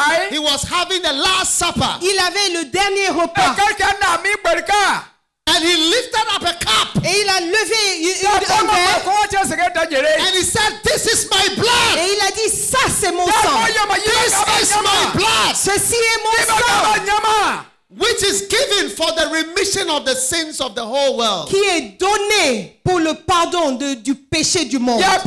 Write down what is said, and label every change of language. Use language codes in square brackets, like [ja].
[en] He was having the last supper. [fr] Il avait le dernier repas. [en] And he lifted up a cup. [fr] Et il a levé un verre. [en] And he said, "This is my blood." [fr] Et il a dit, ça c'est mon sang. [en] This is my blood. [fr] Ceci est mon sang. [en] Which is given for the remission of the sins of the whole world. [fr] Qui est donné pour le pardon du péché du monde.